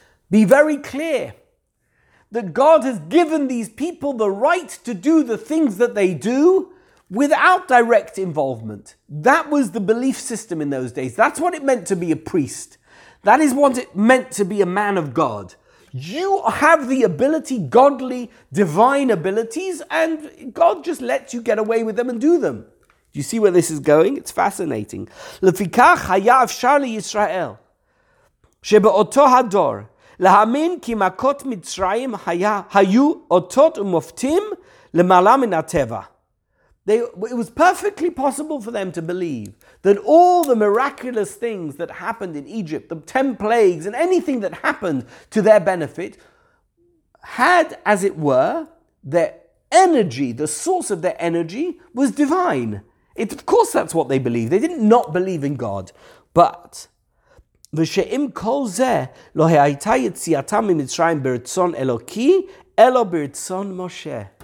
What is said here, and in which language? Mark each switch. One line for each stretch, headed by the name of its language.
English: Be very clear that God has given these people the right to do the things that they do without direct involvement. That was the belief system in those days. That's what it meant to be a priest. That is what it meant to be a man of God. You have the ability, godly, divine abilities, and God just lets you get away with them and do them. Do you see where this is going? It's fascinating.
Hebrew: Lefikach haya afshar liYisrael shebeoto hador להאמין כי מכות מצרים היו אותות ומופתים למעלה מן הטבע.
English: It was perfectly possible for them to believe that all the miraculous things that happened in Egypt, the 10 plagues and anything that happened to their benefit, had, as it were, their energy, the source of their energy was divine. It, of course, that's what they believed. They didn't not believe in God, but
Hebrew: ושאם כל זה לא הייתה יציאתם ממצרים ברצון אלוקי, אלא ברצון משה.